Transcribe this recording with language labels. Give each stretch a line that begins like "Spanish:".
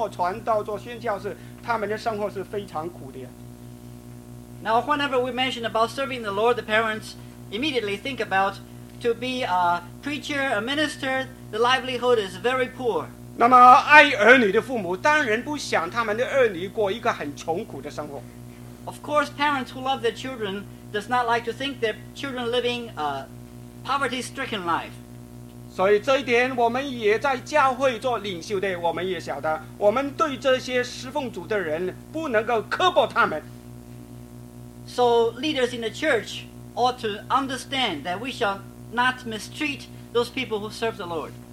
Chinese: 当然讲到受苦的时候我们的父母就马上想到传福音做传道做宣教士他们的生活是非常苦的。
English: Now whenever we mention about serving the Lord, the parents immediately think about to be a preacher, a minister, the livelihood is very poor.
Chinese: 那么爱儿女的父母当然不想他们的儿女过一个很穷苦的生活。
English: Of course, parents who love their children does not like to think their children living a poverty-stricken life.
Chinese: 所以这一点我们也在教会做领袖的，我们也晓得，我们对这些侍奉主的人不能够刻薄他们。
English: So leaders in the church ought to understand that we shall not mistreat those people who serve the Lord.